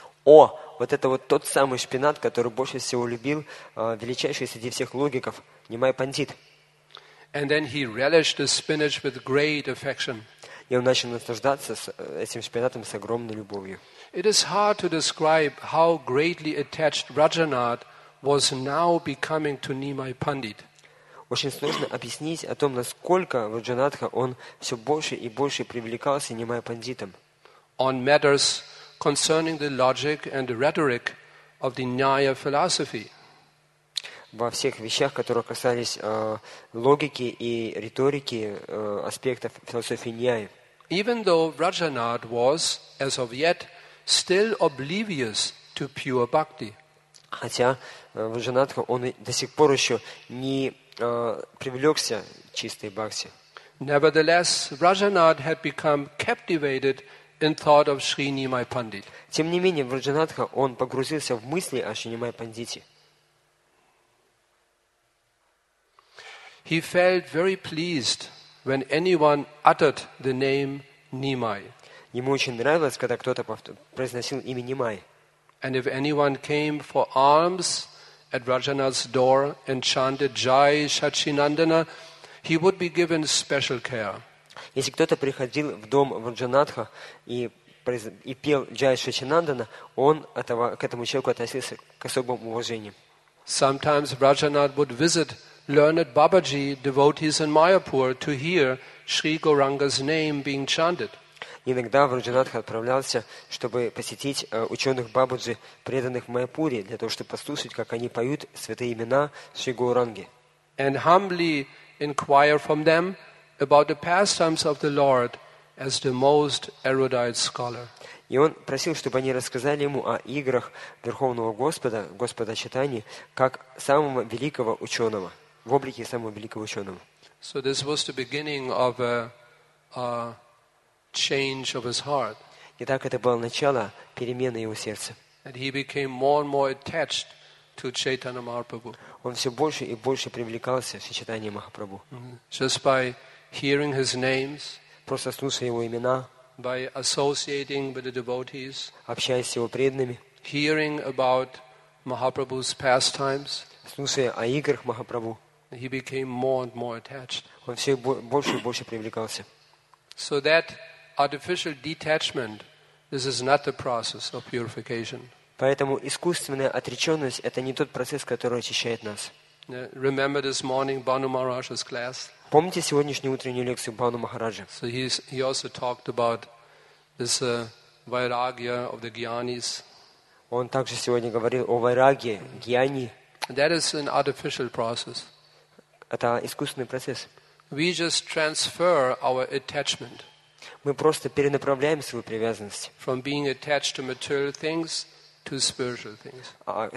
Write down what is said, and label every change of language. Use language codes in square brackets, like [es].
[ru] О, вот это вот тот самый шпинат, который больше всего любил величайший среди всех логиков Нимай Пандит. [en] And then he relished the spinach with great affection. [ru] И он начал наслаждаться этим шпинатом с огромной любовью. [en] It is hard to describe how greatly attached Rajanath was now becoming to Nimai Pandit. [ru] Очень сложно объяснить о том, насколько Раджанатха он все больше и больше привлекался Нимай Пандитом. [en] On matters concerning the logic and the rhetoric of the Nyaya philosophy. [ru] Во всех вещах, которые касались логики и риторики аспектов философии Ньяи. [en] Even though Rajanath was, as of yet, still oblivious to pure bhakti. [ru] Хотя Раджанатха он до сих пор еще не привлекся чистой бхакти. [en] Nevertheless, Rajanath had become captivated in thought of Sri Nimai Pandit. [ru] Тем не менее, Раджанатха он погрузился в мысли о Шри Нимай Пандите. [en] He felt very pleased when anyone uttered the name Nimai. [ru] Ему очень нравилось, когда кто-то произносил имя Нимай. [en] And if anyone came for alms at Rajanath's door and chanted Jai Shachinandana, he would be given special care. [ru] Если кто-то приходил в дом Раджанатха и пел Джай Шачинандана, он этого, к этому человеку относился к особому уважению. [en] Sometimes Rajanath would visit learned Babaji devotees in Mayapur to hear Sri Gauranga's name being chanted. [ru] Иногда Раджанатха отправлялся, чтобы посетить ученых Бабаджи, преданных в Майяпуре, для того, чтобы послушать, как они поют святые имена Шри Гауранги. [en] And humbly inquire from them about the pastimes of the Lord as the most erudite scholar. [ru] И он просил, чтобы они рассказали ему о играх Верховного Господа, Господа Читания, как самого великого ученого, в облике самого великого ученого. [en] So this was the beginning of a change of his heart. [ru] Итак, это было начало перемены его сердца. [en] And he became more and more attached to Chaitanya Mahaprabhu. [ru] Он все больше и больше привлекался к Чайтанье Махапрабху. [en] Just by hearing his names, [ru] просто слушая его имена, [en] by associating with the devotees, [ru] общаясь с его преданными, [en] hearing about Mahaprabhu's pastimes, [ru] слушая о играх Махапрабху, [en] he became more and more attached. [ru] Он все больше и больше привлекался. [en] So that artificial detachment, this is not the process of purification. [ru] Поэтому искусственная отреченность это не тот процесс, который очищает нас. [en] Remember this morning Banu Maharaj's class? [ru] Помните сегодняшнюю утреннюю лекцию Бану Махараджи? [en] So he also talked about this vairagya of the gyanis. [ru] Он также сегодня говорил о вайраге гьяни. [en] That is an artificial process. [ru] Это искусственный процесс. [en] We just transfer our attachment. [ru] Мы просто перенаправляем свою привязанность. [en] From being attached to material things to spiritual things.